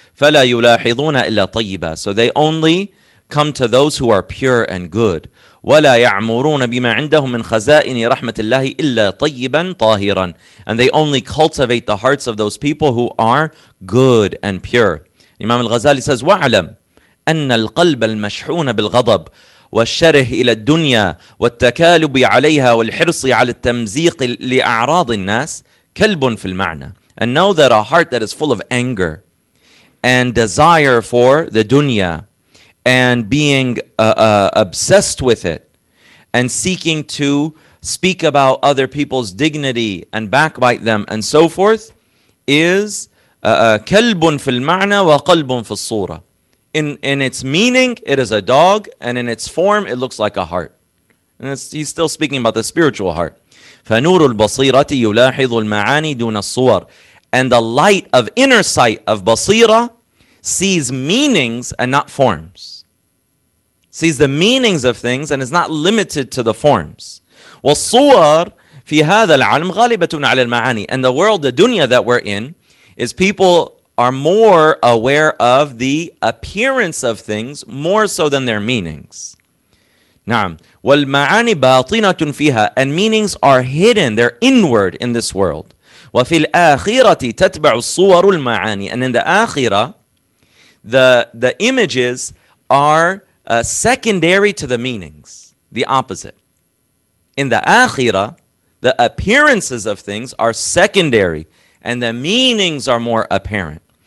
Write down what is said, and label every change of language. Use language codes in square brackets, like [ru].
[ar] فَلَا يُلَاحِظُونَ إِلَّا طَيِّبًا. [en] So they only come to those who are pure and good. [ar] وَلَا يَعْمُرُونَ بِمَا عِنْدَهُمْ مِنْ خَزَائِنِ رَحْمَةِ اللَّهِ إِلَّا طَيِّبًا طَاهِرًا. [en] And they only cultivate the hearts of those people who are good and pure. Imam al-Ghazali says, [ar] وَعْلَمْ أَنَّ الْقَلْبَ الْمَشْحُونَ بِالْغَضَبِ والشره إلى الدنيا والتكالب عليها والحرص على التمزيق لأعراض الناس كلب في المعنى. [en] And know that a heart that is full of anger and desire for the dunya and being obsessed with it and seeking to speak about other people's dignity and backbite them and so forth is [ar] كلب في المعنى وقلب في الصورة. [en] In its meaning, it is a dog, and in its form, it looks like a heart. And he's still speaking about the spiritual heart. [ar] فَنُورُ الْبَصِيرَةِ يُلَاحِظُ الْمَعَانِي دُونَ الصُّورِ. [en] And the light of inner sight of basira sees meanings and not forms. Sees the meanings of things and is not limited to the forms. [ar] وَالصُّورِ فِي هَذَا الْعَلْمِ غَالِبَةٌ عَلَى الْمَعَانِي. [en] And the world, the dunya that we're in, is people are more aware of the appearance of things more so than their meanings. [ar] نعم. والمعاني باطنة فيها. [en] And meanings are hidden, they're inward in this world. [ar] وفي الآخرة تتبع الصور المعاني. [en] And in the آخرة, the images are secondary to the meanings, the opposite. In the آخرة, the appearances of things are secondary and the meanings are more apparent.